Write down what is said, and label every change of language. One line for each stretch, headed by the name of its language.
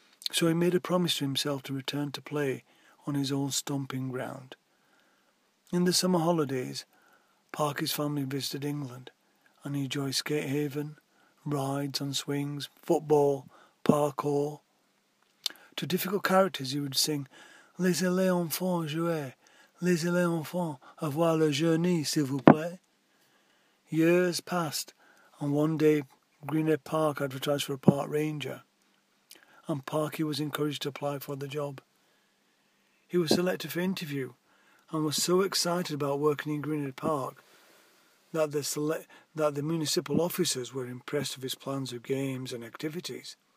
English: So he made a promise to himself to return to play on his old stomping ground. In the summer holidays, Parky's family visited England and he enjoyed skate haven, rides on swings, football, parkour. To difficult characters he would sing,
French: Laissez les enfants jouer, laissez les enfants avoir le journée, s'il vous plaît.
English: Years passed, and one day Greenhead Park advertised for a park ranger, and Parky was encouraged to apply for the job. He was selected for interview, and was so excited about working in Greenhead Park that the municipal officers were impressed with his plans of games and activities.